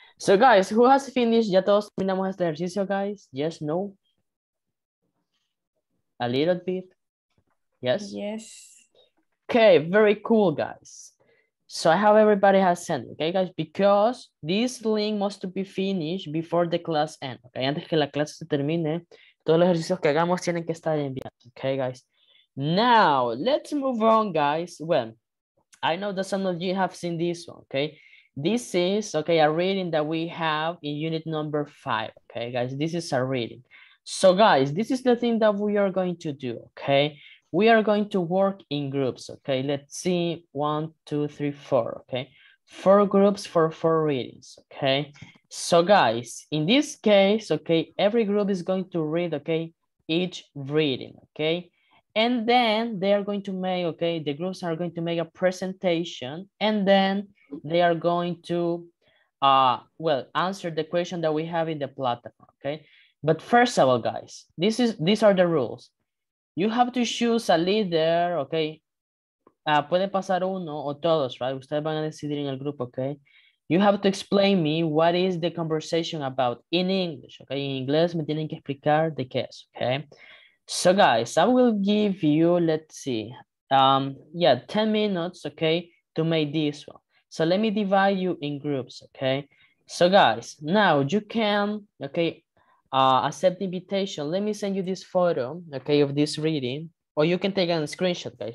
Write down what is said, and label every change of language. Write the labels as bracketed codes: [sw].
[en] So, guys, who has finished? [es] Ya todos terminamos este ejercicio, [en] guys? Yes, no? A little bit? Yes? Yes. Okay, very cool, guys. So I hope everybody has sent, okay, guys? Because this link must be finished before the class ends, okay? [es] Antes que la clase se termine, todos los ejercicios que hagamos tienen que estar enviados, okay, guys? [en] Now, let's move on, guys. Well, I know that some of you have seen this one, okay? This is, okay, a reading that we have in unit number 5, okay, guys? This is a reading. So, guys, this is the thing that we are going to do, okay? We are going to work in groups, okay? Let's see, 1, 2, 3, 4, okay? 4 groups for 4 readings, okay? So, guys, in this case, okay, every group is going to read, okay, each reading, okay? And then they are going to make, okay, the groups are going to make a presentation, and then they are going to, well, answer the question that we have in the platform, okay? But first of all, guys, these are the rules. You have to choose a leader, okay? [es] Puede pasar uno o todos, right? Ustedes van a decidir en el grupo, okay? [en] You have to explain me what is the conversation about in English, okay? [es] In inglés me tienen que explicar de qué es, okay? [en] So, guys, I will give you, let's see, 10 minutes, okay, to make this one. So, let me divide you in groups, okay? So, guys, now you can, okay, accept the invitation. Let me send you this photo, okay, of this reading. Or you can take a screenshot, guys.